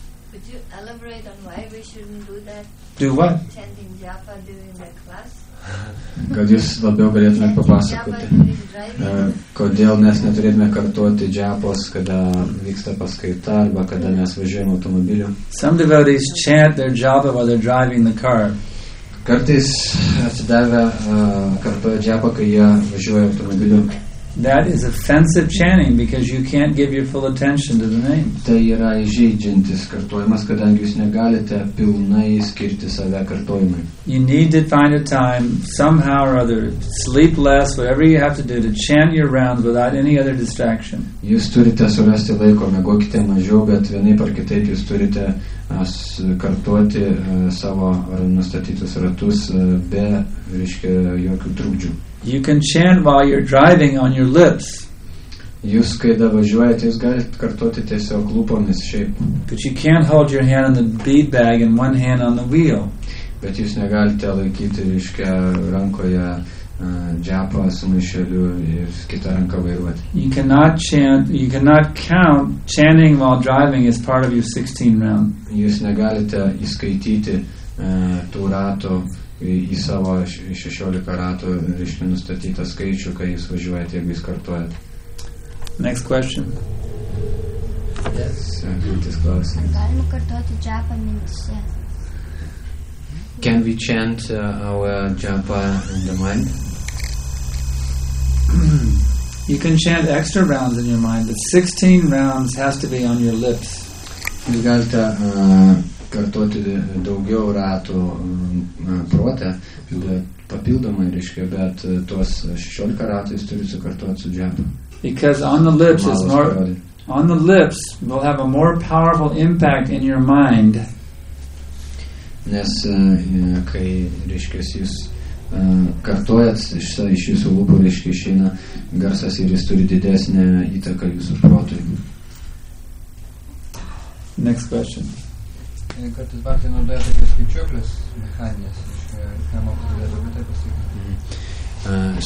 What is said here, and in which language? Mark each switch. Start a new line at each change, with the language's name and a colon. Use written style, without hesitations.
English: Could you elaborate on why we shouldn't do that? Do what? Chanting japa during the class?
Lithuanian: Kad jūs labiau galėtumėt papasakoti, kodėl mes neturėtume kartuoti džiapos, kada vyksta paskaita arba kada mes važiuojame automobiliu.
English: Some devotees chant their japa while they're driving the car.
Lithuanian: Kartais atsidavę kartuoja džiapą, kai jie važiuoja automobiliu.
English: That is offensive chanting because you can't give your full attention to the name.
Lithuanian: Tai yra įžeidžiantis kartojimas, kadangi jūs negalite pilnai skirti save kartojimui.
English: You need to find a time somehow or other, sleep less, whatever you have to do to chant your rounds without any other distraction.
Lithuanian: Jūs turite surasti laiko, miegokite mažiau, bet vienaip ar kitaip jūs turite kartuoti savo nustatytus ratus be, reiškia, jokių trukdžių.
English: You can chant while you're driving on your lips.
Lithuanian: Jūs kai da važiuojate, jūs galite kartuoti tiesiog lūpomis šiaip.
English: But you can't hold your hand on the bead bag and one hand on the wheel.
Lithuanian: Bet jūs negalite laikyti, reiškia, rankoje džiapą su maišeliu ir kitą ranką vairuoti.
English: You cannot count chanting while driving as part of your 16 round.
Lithuanian: Jūs negalite įskaityti tų ratų į savo 16 ratų reiškia nustatytą skaičių, kai jūs važiuojate, jeigu jūs kartuojate.
English: Next question. Yes.
Lithuanian: Sekantis klausimas. Galima kartuoti džiapą mintise.
English: Can we chant our japa in the mind? You can chant extra rounds in your mind, but 16 rounds has to be on your lips.
Lithuanian: Jūs galite kartoti daugiau ratų protę, bet papildomai, reiškia, bet tuos 16 ratų jūs turite sukartoti su džiapa.
English: Because on the lips is more, on the lips will have a more powerful impact in your mind.
Lithuanian: Nes kai, reiškia, jūs kartojat iš jūsų lūpų, reiškia, išeina garsas ir jis turi didesnę įtaką jūsų protui.
English: Next question.
Lithuanian: Kartais partijai naudoja tokie skaičiuoklės mechaninės, iš ką mokas galėtų būti taip pasakyti.